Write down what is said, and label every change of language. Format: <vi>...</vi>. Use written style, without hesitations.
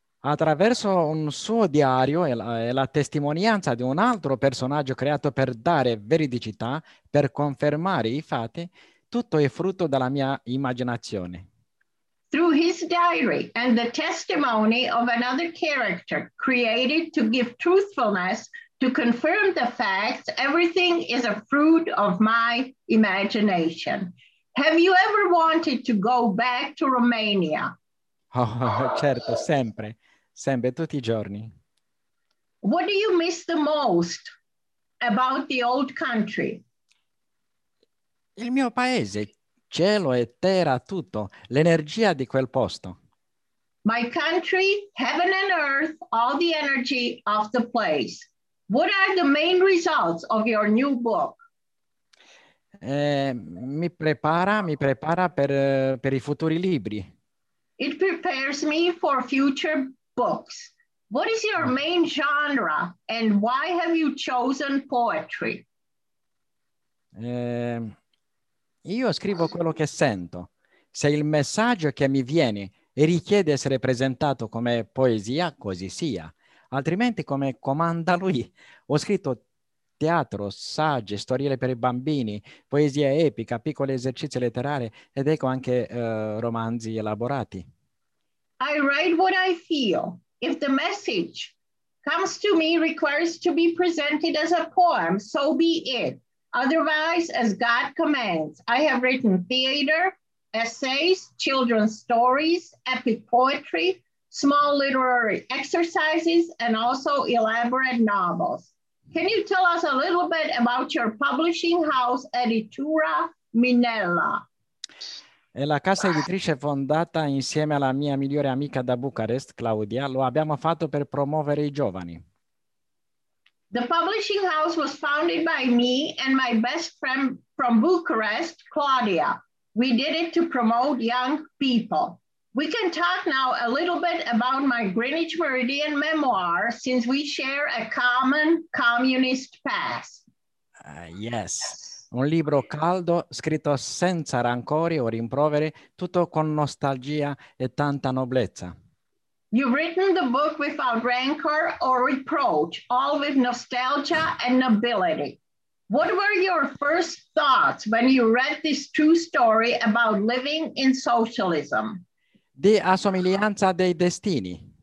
<it>attraverso un suo diario e la testimonianza di un altro personaggio creato per dare veridicità, per confermare i fatti, tutto è frutto della mia immaginazione.</it> <en>Through his diary and the testimony of another character created to give truthfulness to confirm the facts, everything is a fruit of my imagination. Have you ever wanted to go back to Romania?</en> <it>Oh, certo, sempre, sempre, tutti i giorni.</it> <en>What do you miss the most about the old country?</en> <it>Il mio paese, cielo e terra, tutto, l'energia di quel posto.</it> <en>My country, heaven and earth, all the energy of the place. What are the main results of your new book?</en> <it>Mi prepara per i futuri libri.</it> <en>It prepares me for future books. What is your main genre and why have you chosen poetry?</en> <it>Io scrivo quello che sento. Se il messaggio che mi viene richiede essere presentato come poesia, così sia. Altrimenti, come comanda lui, ho scritto teatro, saggi, storie per i bambini, poesia epica, piccoli esercizi letterari ed ecco anche romanzi elaborati.</it> <en>I write what I feel. If the message comes to me requires to be presented as a poem, so be it. Otherwise, as God commands, I have written theater, essays, children's stories, epic poetry, small literary exercises, and also elaborate novels. Can you tell us a little bit about your publishing house, Editura Minella?</en> <it>È la casa editrice fondata insieme alla mia migliore amica da Bucarest, Claudia. Lo abbiamo fatto per promuovere i giovani.</it> <en>The publishing house was founded by me and my best friend from Bucharest, Claudia. We did it to promote young people. We can talk now a little bit about my Greenwich Meridian memoir since we share a common communist past. Yes.</en> <it>Un libro caldo, scritto senza rancori o rimproveri, tutto con nostalgia e tanta noblezza.</it> <en>You've written the book without rancor or reproach, all with nostalgia and nobility. What were your first thoughts when you read this true story about living in socialism?</en> <it>Di assomiglianza dei destini.</it>